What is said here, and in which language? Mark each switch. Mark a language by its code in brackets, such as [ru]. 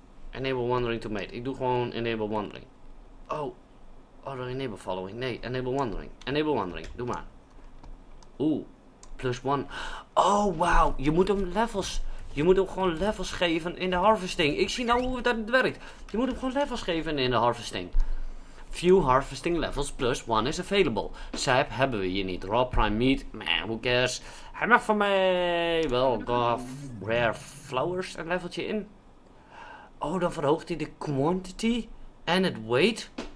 [en] Enable wandering to mate. [nl] Ik doe gewoon [en] enable wandering. Oh, enable following. Nee, enable wandering. Enable wandering. [nl] Doe maar. [en] Oeh, plus one. Oh, wauw. [nl] Je moet hem gewoon levels geven in de harvesting. Ik zie nou hoe dat werkt. Je moet hem gewoon levels geven in de harvesting. [en] Few harvesting levels plus one is available. [nl] Sap hebben we hier niet. Raw prime meat. [en] Man, who cares? [nl] Hij mag van mij wel rare flowers een leveltje in. Oh, dan verhoogt hij de quantity en het weight.